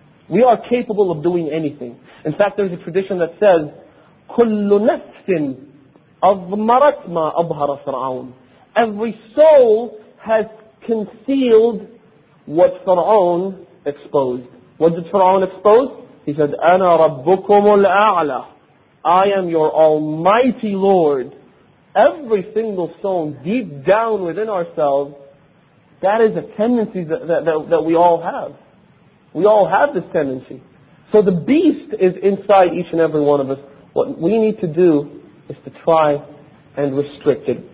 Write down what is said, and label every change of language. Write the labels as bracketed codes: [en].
[en] We are capable of doing anything. In fact, there's a tradition that says, [ar] كل نفس أضمرت ما أظهر فرعون. [en] Every soul has concealed what Fir'aun exposed. What did Fir'aun expose? He said, [ar] أَنَا رَبُّكُمُ الْأَعْلَى. [en] I am your almighty Lord. Every single soul deep down within ourselves, that is a tendency that we all have. We all have this tendency. So the beast is inside each and every one of us. What we need to do is to try and restrict it.